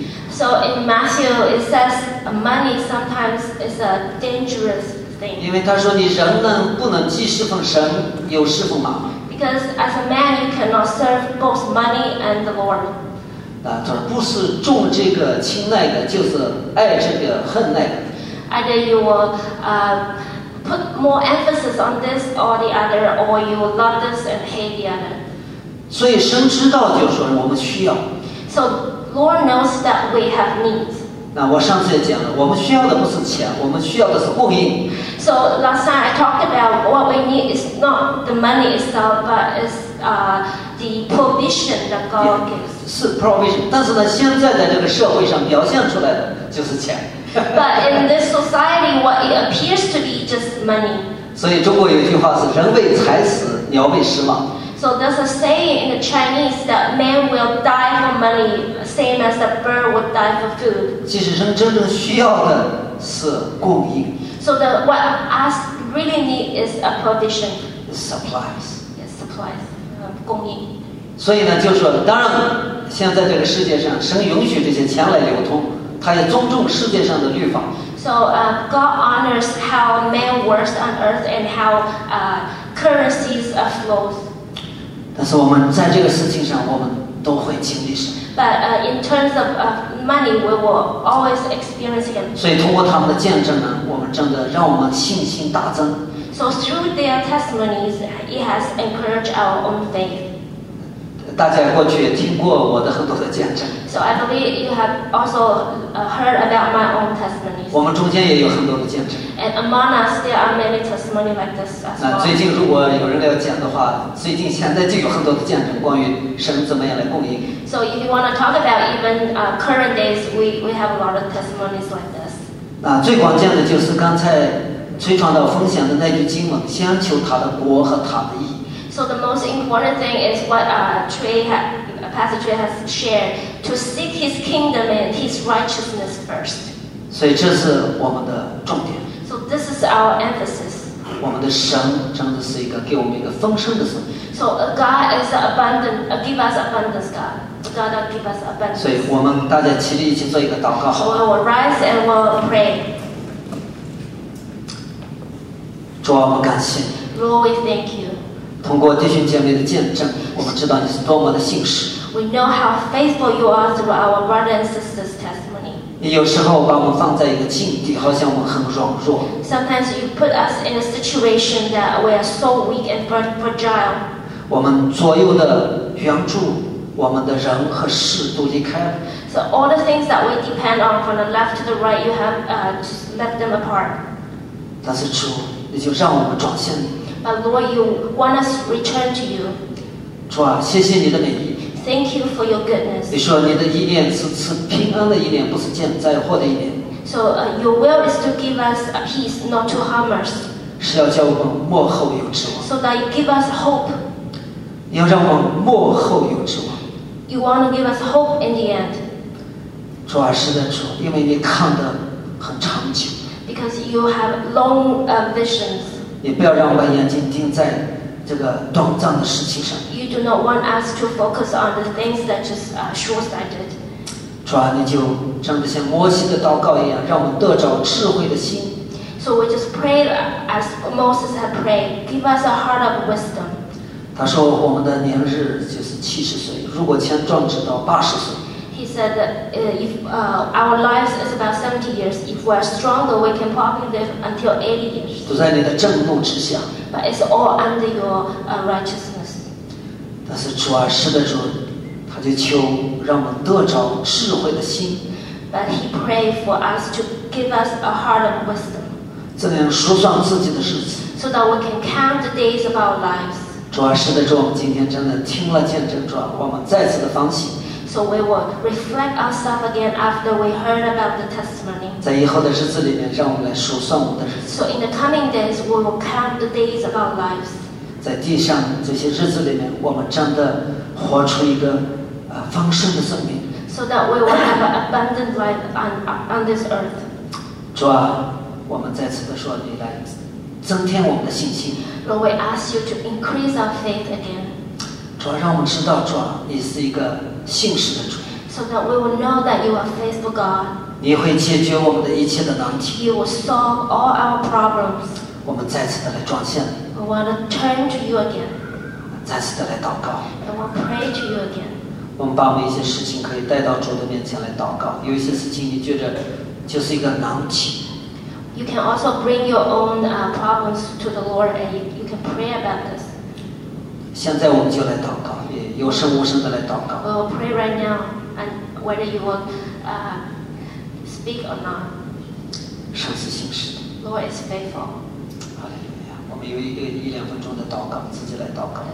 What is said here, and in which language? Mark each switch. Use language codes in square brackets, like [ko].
[en] So in Matthew it says money sometimes is a dangerous thing. [zh] 因为他说你人呢不能既侍奉神又侍奉马。 [en] Because as a man you cannot serve both money and the Lord. [zh] 啊，他不是重这个轻那个，就是爱这个恨那个。 [en] Either you will put more emphasis on this or the other, or you will love this and hate the other. [zh] 所以神知道，就是说我们需要。 [en] So Lord knows that we have needs. [zh] 那我上次也讲了，我们需要的不是钱，我们需要的是供应。 [en] So last time I talked about what we need is not the money itself, but is the provision that God gives. [zh] 是 provision， 但是呢，现在在这个社会上表现出来的就是钱。 [en] But in this society, what it appears to be just money. [zh] 所以中国有一句话是“人为财死，鸟为食亡”。 [en] So there's a saying in the Chinese that man will die for money, same as a bird would die for food. [zh] 其实人真正需要的是供应。 [en] So the what us really need is a provision. Supplies. Yes, supplies, 供应。 [zh] 所以呢，就是说，当然，现在这个世界上，神允许这些钱来流通，他也尊重世界上的律法。 [en] So, God honors how man works on earth and how currencies flows. [zh] 但是我们在这个事情上，我们都会经历神。 [en] But in terms of money, we will always experience Him. [zh] 所以通过他们的见证呢，我们真的让我们信心大增。 [en] So through their testimonies, it has encouraged our own faith. [zh] 大家过去也听过我的很多的见证。 [en] So I believe you have also heard about my own testimonies. [zh] 我们中间也有很多的见证。 [en] And among us, there are many testimonies like this as well. [zh] 那最近如果有人要讲的话，最近现在就有很多的见证关于神怎么样来供应。 [en] So if you want to talk about even current days, we have a lot of testimonies like this. [zh] 那最关键的就是刚才崔传道分享的那句经文：先求他的国和他的义。 [en] So the most important thing is what Pastor Trey has shared, to seek his kingdom and his righteousness first. [zh] 所以这是我们的重点。 [en] So this is our emphasis. [zh] 我们的神真的是一个给我们一个丰盛的神。 [en] So God is abundant, give us abundance, God. God will give us abundance. [zh] 所以我们大家起立一起做一个祷告。 [en] So we will rise and we will pray. [zh] 主啊，我们感谢。 [en] Lord, we thank you. [zh] 通过弟兄姐妹的见证，我们知道你是多么的信实。 [en] We know how faithful you are through our brother and sister's testimony. [zh] 有时候把我们放在一个境地，好像我们很软弱。 [en] Sometimes you put us in a situation that we are so weak and fragile. [zh] 我们左右的援助，我们的人和事都离开了。 [en] So all the things that we depend on from the left to the right, you have left them apart. [zh] 但是主，你就让我们转向你。 [en] But Lord, you want us to return to you. [zh] 主啊，谢谢你的美意。 [en] Thank you for your goodness. [zh] 你说你的意念是赐平安的意念，不是降灾祸的意念。 [en] So your will is to give us a peace, not to harm us. [zh] 是要叫我们幕后有指望。 [en] So that you give us hope. [zh] 你要让我们幕后有指望。 [en] You want to give us hope in the end. [zh] 主啊，是的，主，因为你看得很长久。 [en] Because you have long visions. [zh] 也不要让我们眼睛盯在这个短暂的事情上。 [en] You do not want us to focus on the things that just short-sighted. [zh] 主啊，你就像这些摩西的祷告一样，让我们得着智慧的心。 [en] So we just pray as Moses had prayed, give us a heart of wisdom. [zh] 他说我们的年日就是七十岁，如果先壮志到八十岁。 [en] He said that if our lives is about 70 years, if we are stronger, we can probably live until 80 years. [zh] 都在你的震怒之下。 [en] But it's all under your righteousness. [zh] 但是主啊，是的主，他就求让我们得着智慧的心。 [en] But he prayed for us to give us a heart of wisdom. [zh] 这样数算自己的日子。 [en] So that we can count the days of our lives. [zh] 主啊，是的主，今天真的听了见证，主啊，我们再次的反省。 [en] So we will reflect ourselves again after we heard about the testimony. [zh] 在以后的日子里面，让我们来数算我们的日子。 [en] So in the coming days, we will count the days of our lives. [zh] 在地上这些日子里面，我们真的活出一个丰盛的生命。 [en] so that we will have abundant life on this earth. [zh] 主啊，我们再次的说，你来增添我们的信心。 [en] Lord, we ask you to increase our faith again. [zh] 主啊，让我们知道，主啊，你是一个信实的主。 [en] So that we will know that you are faithful God. [zh] 你会解决我们的一切的难题。 [en] You will solve all our problems. [zh] 我们再次的来装线。 [en] We want to turn to you again. [zh] 再次的来祷告。 [en] We want to pray to you again. [zh] 我们把我们一些事情可以带到主的面前来祷告，有一些事情你觉得就是一个难题。 [en] You can also bring your own problems to the Lord, and you can pray about this. [zh] 现在我们就来祷告，也有声无声的来祷告。 [en] We'll pray right now, and whether you will speak or not. [zh] 神是信实的。 [en] Lord is faithful. [zh] 好嘞，我们有一两分钟的祷告，自己来祷告。